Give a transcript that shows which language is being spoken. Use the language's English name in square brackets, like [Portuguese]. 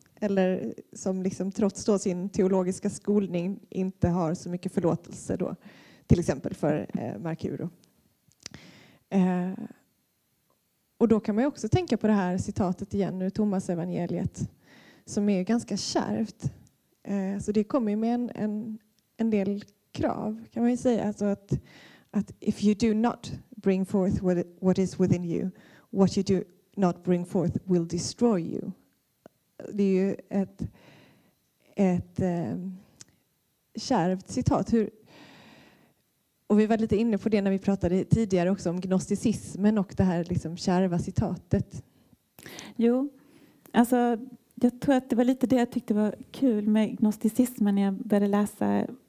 [Swedish] Eller som liksom trots då sin teologiska skolning inte har så mycket förlåtelse då, till exempel för Mercurio. Och då kan man ju också tänka på det här citatet igen ur Thomas evangeliet som är ganska kärvt. Så det kommer med en del krav, kan man ju säga. Alltså att [English] if you do not bring forth what is within you, what you do not bring forth will destroy you. [Swedish] Det är ju ett kärvt citat. Och vi var lite inne på det när vi pratade tidigare också om gnosticismen och det här liksom kärva citatet. Jo, alltså jag tror att det var lite det jag tyckte var kul med gnosticismen när jag började läsa.